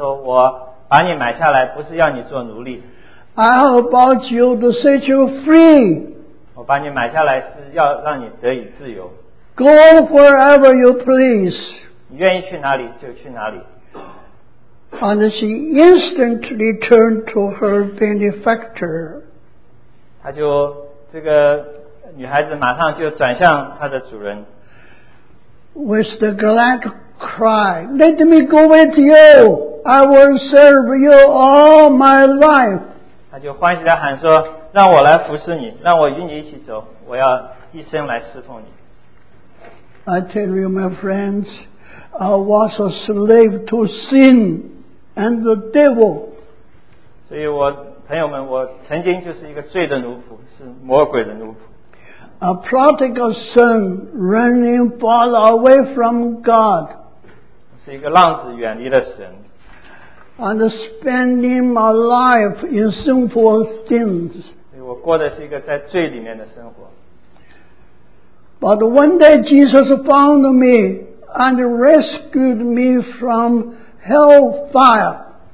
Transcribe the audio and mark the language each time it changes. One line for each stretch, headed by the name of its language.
Chinese: 后来这个基督徒就对他温柔地说，我把你买下来不是要你做奴隶。
English: I have bought you to set you free.
Chinese: 我把你买下来是要让你得以自由。
English: Go wherever you please.
Chinese: 你愿意去哪里就去哪里。
English: And she instantly turned to her benefactor.
Chinese: 她就这个 女孩子马上就转向她的主人,
English: with the glad cry, let me go with you, I will serve you all my life.
Chinese: 她就欢喜地喊说, 让我来服侍你, 让我与你一起走, 我要一生来侍奉你。
English: I tell you, my friends, I was a slave to sin and the devil.
Chinese: 所以我朋友们, 我曾经就是一个罪的奴仆, 是魔鬼的奴仆。
English: A prodigal son running far away from God.
Chinese: 是一个浪子远离了神。
English: And spending my life in sinful things.
Chinese: 我过的是一个在罪里面的生活。
English: But one day Jesus found me and rescued me from hell fire.